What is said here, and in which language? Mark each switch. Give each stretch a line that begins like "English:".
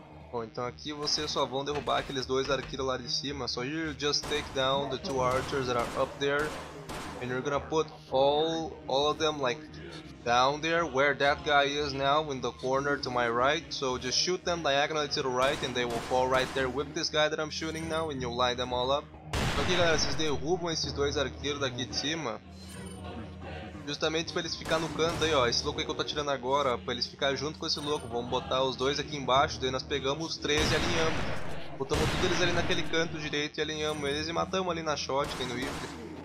Portuguese: Bom, então aqui vocês só vão derrubar aqueles dois arqueiros lá de cima.
English: So you just take down the two archers that are up there. And you're gonna put all of them like down there where that guy is now in the corner to my right. So just shoot them diagonally to the right and they will fall right there with this guy that I'm shooting now and you'll line them all up.
Portuguese: Então aqui galera, vocês derrubam esses dois arqueiros daqui de cima. Justamente pra eles ficarem no canto aí, ó. Esse louco aí que eu tô atirando agora, ó, pra eles ficarem junto com esse louco. Vamos botar os dois aqui embaixo, daí nós pegamos os três e alinhamos. Botamos todos eles ali naquele canto direito e alinhamos eles e matamos ali na shotgun, no rifle.